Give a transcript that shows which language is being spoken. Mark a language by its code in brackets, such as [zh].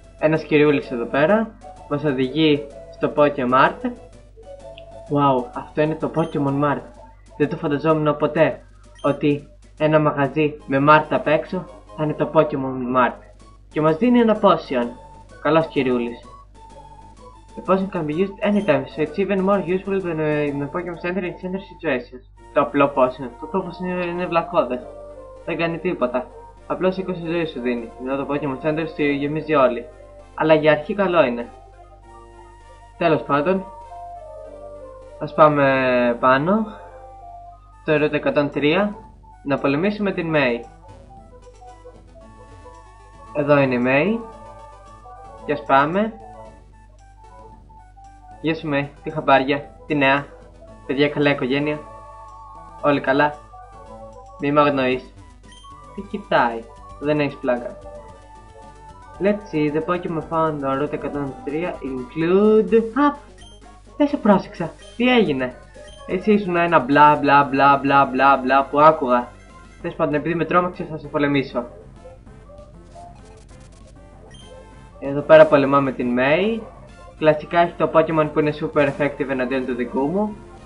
[el] Ένας κυριούλης εδώ πέρα μας οδηγεί στο Pokemart. Wow, αυτό είναι το Pokemon Mart. Δεν το φανταζόμουν ποτέ ότι ένα μαγαζί με Mart απ' έξω θα είναι το Pokemon Mart. Και μας δίνει ένα potion. Καλός κυριούλης. [en] The potion can be used anytime, so it's even more useful than in the Pokemon Center in center situations. [el] Το απλό potion. Το απλό potion είναι βλακώδες. Δεν κάνει τίποτα. Απλώς 20 ζωή σου δίνει, ενώ το Pokemon Center σου γεμίζει όλοι. Αλλά για αρχή καλό είναι. Τέλος πάντων, ας πάμε πάνω στο Route 103 να πολεμήσουμε την May. Εδώ είναι η May. Και ας πάμε. Γεια σου May, τι χαμπάρια, τι νέα, παιδιά καλά οικογένεια, όλοι καλά, μη με αγνοείς. Τι κοιτάει, δεν έχει πλάκα. [en] Let's see, the Pokemon found on Route 103 include... [el] Απ! Δεν σε πρόσεξα, τι έγινε. Εσύ ήσουν ένα μπλα μπλα μπλα μπλα μπλα μπλα που άκουγα. Θες πάντων, επειδή με τρόμαξε θα σε πολεμήσω. Εδώ πέρα πολεμάμε την May. Κλασικά έχει το Pokemon που είναι super effective εναντίον του δικού μου.